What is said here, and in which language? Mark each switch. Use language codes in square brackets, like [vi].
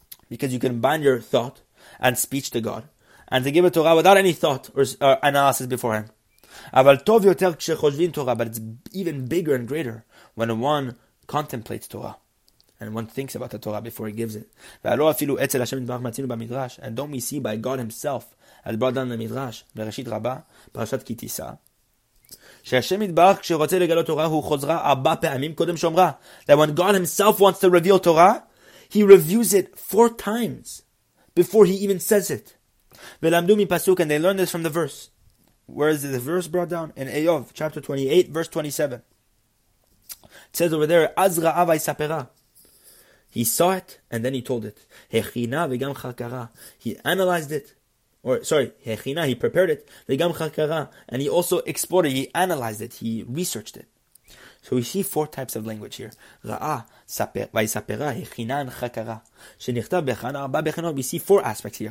[en] Because you can bind your thought and speech to God, and to give a Torah without any thought or analysis beforehand. [he] Aval tov yoter k'shechoshvin Torah, [en] but it's even bigger and greater when one contemplates Torah, and one thinks about the Torah before he gives it. And don't we see by God Himself, as brought down the Midrash, Bereshit Rabbah, Parashat Ki Tisa, [he] שהשם יתברך כשרוצה לגלות תורה, הוא חוזרה ארבע פעמים קודם שאומרה. [en] That when God Himself wants to reveal Torah, He reviews it four times before He even says it. [he] ולמדו מפסוק, [en] and they learned this from the verse. Where is the verse brought down? In Eyov, chapter 28, verse 27. It says over there, [he] אז ראה ויספרה. [en] He saw it, and then he told it. [he] הכינה וגם חקרה. [en] He analyzed it. [he] הכינה, [en] he prepared it. וגם חקרה. And he also explored it. He analyzed it. He researched it. So we see four types of language here. [he] ראה, ויספרה, הכינה, חקרה. שנכתב בכאן, ארבע בחינות. [en] We see four aspects here.